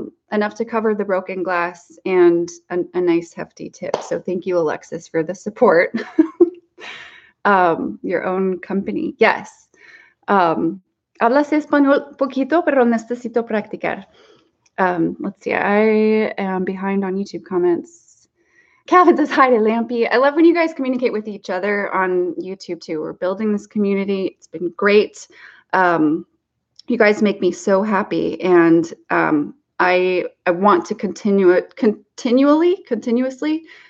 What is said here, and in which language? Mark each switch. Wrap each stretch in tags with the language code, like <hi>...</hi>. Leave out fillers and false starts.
<en>Enough to cover the broken glass and a nice hefty tip. So thank you, Alexis, for the support. your own company. Yes.</en> <es>Hablas español poquito, pero necesito practicar.</es> <en>Let's see. I am behind on YouTube comments. Calvin says hi to Lampy. I love when you guys communicate with each other on YouTube too. We're building this community. It's been great. You guys make me so happy. And I want to continuously</en>